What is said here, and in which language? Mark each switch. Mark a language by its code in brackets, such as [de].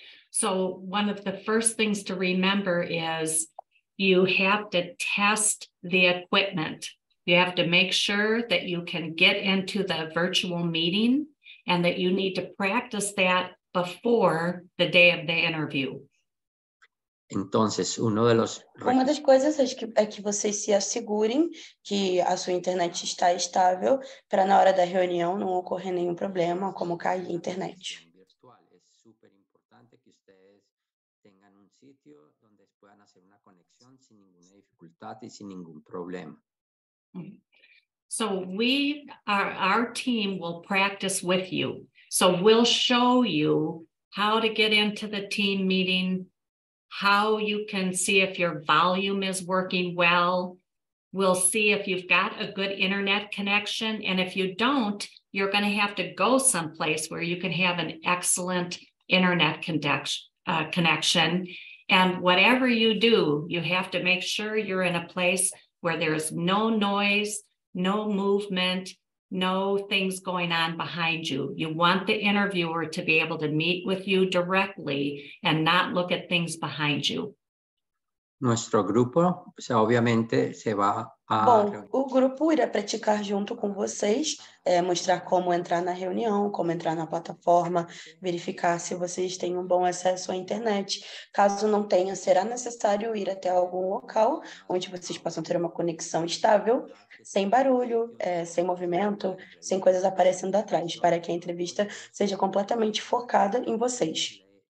[en] So one of the first things to remember is you have to test the equipment. You have to make sure that you can get into the virtual meeting and that you need to practice that before the day of the interview. [es] Entonces, uno de los... [pt] Uma das coisas é que vocês se assegurem que a sua internet está estável para na hora da reunião não ocorrer nenhum problema, como cair a internet. É super importante que vocês tenham um sítio onde possam fazer uma conexão sem nenhuma dificuldade e sem nenhum problema. [en] So we, our team will practice with you. So we'll show you how to get into the team meeting, how you can see if your volume is working well. We'll see if you've got a good internet connection. And if you don't, you're going to have to go someplace where you can have an excellent internet connection. And whatever you do, you have to make sure you're in a place where there's no noise, no movement, no things going on behind you. You want the interviewer to be able to meet with you directly and not look at things behind you. [es] Nuestro grupo, obviamente, se va a... [pt] Bom, o grupo irá praticar junto com vocês, mostrar como entrar na reunião, como entrar na plataforma, verificar se vocês têm um bom acesso à internet. Caso não tenha, será necessário ir até algum local onde vocês possam ter uma conexão estável, sem barulho, sem movimento, sem coisas aparecendo atrás, para que a entrevista seja completamente focada em vocês.